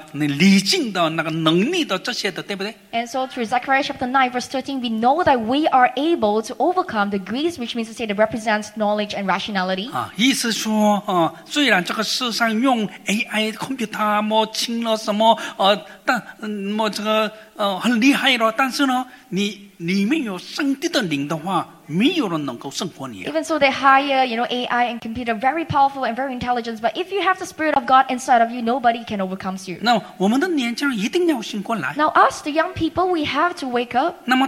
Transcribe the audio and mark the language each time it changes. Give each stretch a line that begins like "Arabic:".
Chinese: 我们透过撒迦利亚书第九章十三节来明白了我们是谁呢？我们是能够打死希腊众子的、你理性的、那个能力的这些的，对不对？
English: And so through Zechariah chapter 9 verse 13, we know that we are able to overcome the Greece, which means to say that represents knowledge and rationality.
Chinese: 意思说，虽然这个世上用 AI computer 么轻了什么，但么这个很厉害了，但是呢，你里面有上帝的灵的话。
English: Even so, they hire, you know, AI and computer, very powerful and very intelligent. But if you have the spirit of God inside of you, nobody can overcome you.
Chinese: 那我们的年轻人一定要醒过来。
English: Now, us, the young people, we have to wake up.